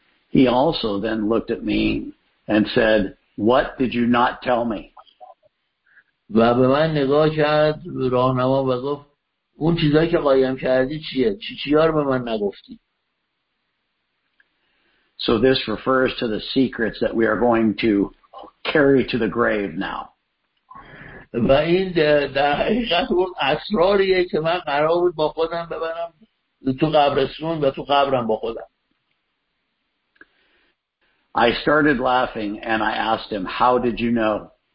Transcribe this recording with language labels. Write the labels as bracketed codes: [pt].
[en] He also then looked at me and said, "What did you not tell me?" [fa] و به من نگاه کرد راهنما و گفت اون چیزایی که قایم کردی چیه؟ چی رو به من نگفتی؟ [en] So this refers to the secrets that we are going to carry to the grave now. [fa] و این در حقیقت اون اسراریه که من قرار بود با خودم ببرم تو قبرستون و تو قبرم با خودم. [en] I started laughing and I asked him, "How did you know?"